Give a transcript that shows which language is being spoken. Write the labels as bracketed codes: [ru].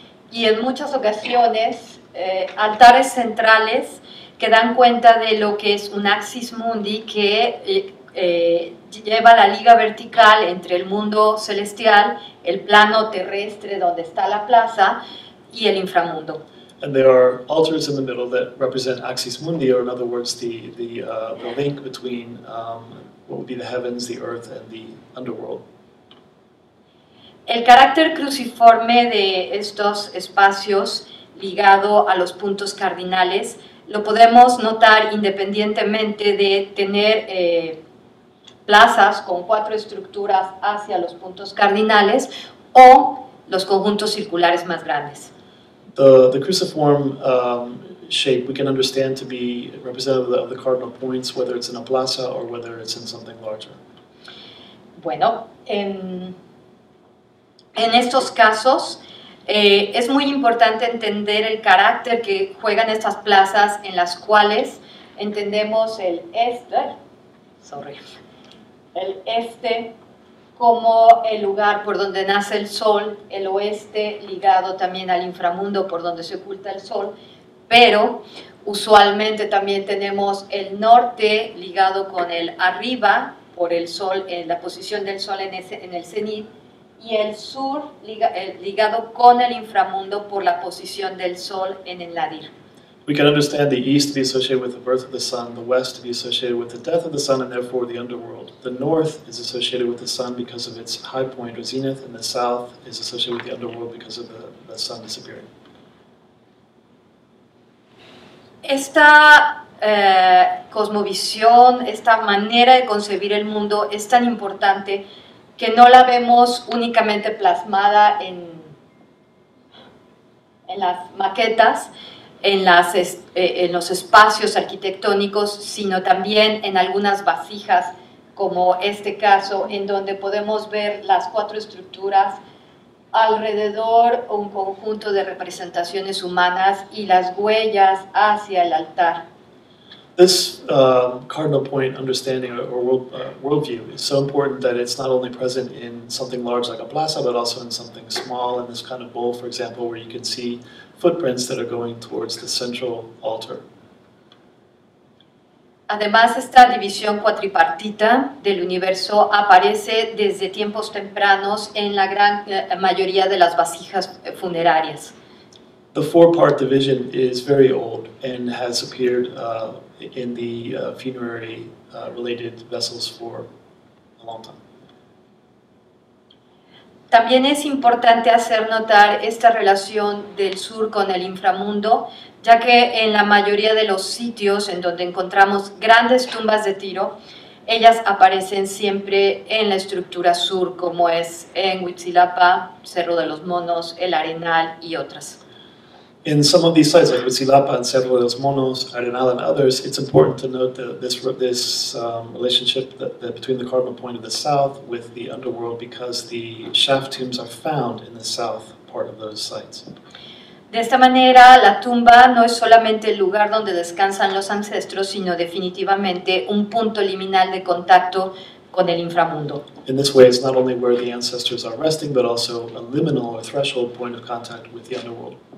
[es] Y en muchas ocasiones, altares centrales que dan cuenta de lo que es un axis mundi que lleva la liga vertical entre el mundo celestial, el plano terrestre donde está la plaza y el inframundo. [en] And there are altars in the middle that represent axis mundi, or in other words, the link between what would be the heavens, the earth, and the underworld. [es] El carácter cruciforme de estos espacios ligado a los puntos cardinales lo podemos notar independientemente de tener plazas con cuatro estructuras hacia los puntos cardinales o los conjuntos circulares más grandes. [en] The cruciform shape we can understand to be representative of the cardinal points, whether it's in a plaza or whether it's in something larger. [es] Bueno, en estos casos es muy importante entender el carácter que juegan estas plazas en las cuales entendemos el este como el lugar por donde nace el sol, el oeste ligado también al inframundo por donde se oculta el sol, pero usualmente también tenemos el norte ligado con el arriba por el sol, en la posición del sol en, ese, en el cenit, y el sur ligado con el inframundo por la posición del sol en el nadir. [en] We can understand the east to be associated with the birth of the sun, the west to be associated with the death of the sun, and therefore the underworld. The north is associated with the sun because of its high point or zenith, and the south is associated with the underworld because of the sun disappearing. [es] Esta cosmovisión, esta manera de concebir el mundo es tan importante que no la vemos únicamente plasmada en las maquetas, en los espacios arquitectónicos, sino también en algunas vasijas, como este caso, en donde podemos ver las cuatro estructuras alrededor un conjunto de representaciones humanas y las huellas hacia el altar. [en] This cardinal point understanding or worldview is so important that it's not only present in something large like a plaza, but also in something small, in this kind of bowl, for example, where you can see footprints that are going towards the central altar. [es] Además, esta división cuatripartita del universo aparece desde tiempos tempranos en la gran mayoría de las vasijas funerarias. [en] The four-part division is very old and has appeared in the funerary related vessels for a long time. [es] También es importante hacer notar esta relación del sur con el inframundo, ya que en la mayoría de los sitios en donde encontramos grandes tumbas de Tiro, ellas aparecen siempre en la estructura sur, como es en Huitzilapa, Cerro de los Monos, El Arenal y otras. [en] In some of these sites, like Huitzilapa and Cerro de los Monos, Arenal and others, it's important to note that this relationship that between the cardinal point of the south with the underworld, because the shaft tombs are found in the south part of those sites. [es] De esta manera, la tumba no es solamente el lugar donde descansan los ancestros, sino definitivamente un punto liminal de contacto con el inframundo. [en] In this way, it's not only where the ancestors are resting, but also a liminal or threshold point of contact with the underworld.